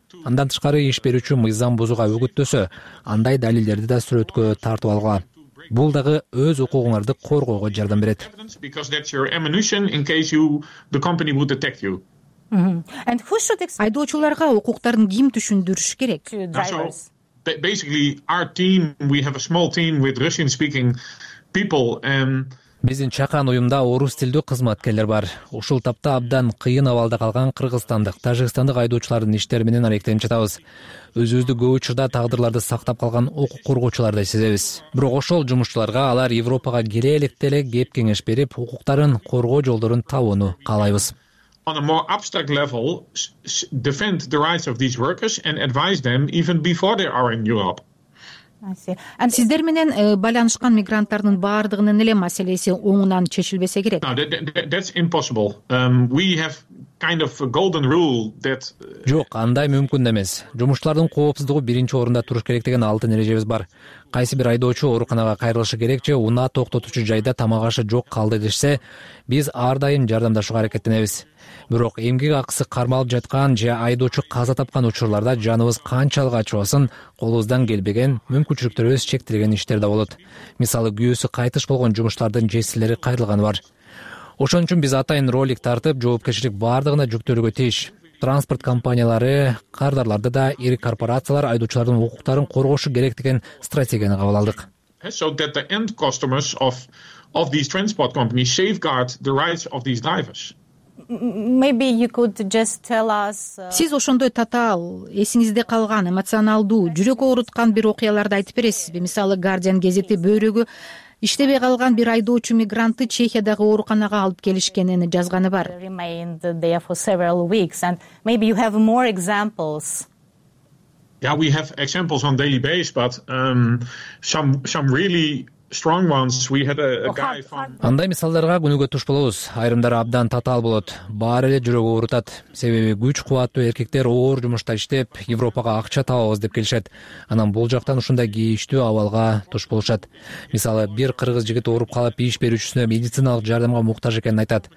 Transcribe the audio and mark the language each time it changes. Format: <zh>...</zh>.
<ky>Андан тышкары иш берүүчү мыйзам бузууга үгүттөсө, андай далилдерди да сүрөткө тартып алгыла. Бул дагы өз укугуңарды коргоого жардам берет. Айдоочуларга укуктарын ким түшүндүрүш керек?</ky> <en>Basically our team, we have a small team with Russian speaking people and</en> <ky>биздин чакан уюмда орус тилдүү кызматкерлер бар. Ушул тапта абдан кыйын абалда калган кыргызстандык, тажикстандык айдоочулардын иштери менен аракеттенип жатабыз. Өзүбүздү көп учурда тагдырларды сактап калган укук коргоочуларды сезебиз. Бирок ошол жумушчуларга алар Европага келе электе эле кеп кеңеш берип, укуктарын коргоо жолдорун табууну каалайбыз.</ky> <en>On a more abstract level, defend the rights of these workers and advise them even before they are in Europe.</en> <ky>Сиздер менен байланышкан мигранттардын баардыгынын эле маселеси оңунан чечилбесе керек?</ky> <en>That's impossible. We have kind of a golden rule that</en> <ky>жок, андай мүмкүн эмес. Жумушчулардын коопсуздугу биринчи орунда туруш керек деген алтын эрежебиз бар. Кайсы бир айдоочу ооруканага кайрылышы керек же унаа токтотуучу жайда тамак ашы жок калды дешсе, биз ар дайым жардамдашууга аракеттенебиз. Бирок эмгек акысы кармалып жаткан же айдоочу каза тапкан учурларда жаныбыз канчалык ачыбасын, колубуздан келбеген мүмкүнчүлүктөрүбүз чектелген иштер да болот. Мисалы, күйөөсү кайтыш болгон жумушчулардын жесирлери кайрылганы бар. Ошон үчүн биз атайын ролик тартып, жоопкерчилик баардыгына жүктөлүүгө тийиш. транспорт компаниялары, кардарларды да, ири корпорациялар айдоочулардын укуктарын коргошу керек деген стратегияны кабыл алдык.</ky> <en>So that the end customers of these transport companies safeguard the rights of these drivers. Maybe you could just tell us.</en> <ky>Сиз ошондой татаал, эсиңизде калган, эмоционалдуу, жүрөк ооруткан бир окуяларды айтып бересизби? Мисалы, Guardian гезити бөйрөгү иштебей калган бир айдоочу мигрантты Чехиядагы ооруканага алып келишкенин жазганы бар.</ky> <en>Remained there for several weeks and maybe you have more examples. Yeah, we have examples on daily basis, but some really strong ones. We had a guy from</en> <ky>Андай мисалдарга күнүгөтүш болобуз. Айрымдары абдан татаал болот, баары эле жүрөк оорутат. Себеби күч кубаттуу эркектер оор жумушта иштеп, Европага акча табабыз деп келишет. Анан бул жактан ушундай кейиштүү абалга туш болушат. Мисалы, бир кыргыз жигит ооруп калып, иш берүүчүсүнө медициналык жардамга муктаж экенин айтат.</ky>